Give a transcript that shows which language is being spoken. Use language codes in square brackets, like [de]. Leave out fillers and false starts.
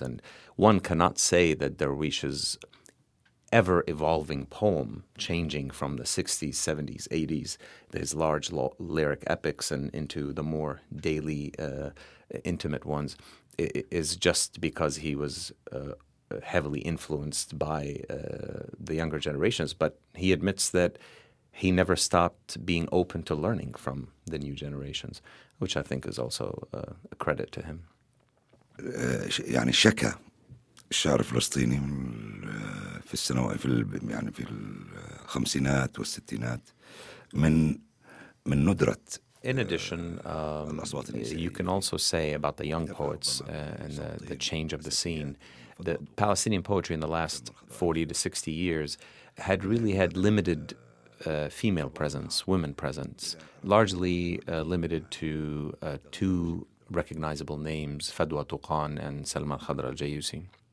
[en] And one cannot say that Darwish's ever-evolving poem, changing from the 60s, 70s, 80s, his large lyric epics and into the more daily, intimate ones, is just because he was heavily influenced by the younger generations. But he admits that he never stopped being open to learning from the new generations, which I think is also a credit to him. [ar] يعني شكا الشعر الفلسطيني في السنوات في يعني في الخمسينات والستينات من ندرة. [en] In addition, you can also say about the young poets and the change of the scene. The Palestinian poetry in the last 40 to 60 years had really had limited female presence, women presence, largely limited to two recognizable names, Fadwa Tuqan and Salma Khadra Jayusi.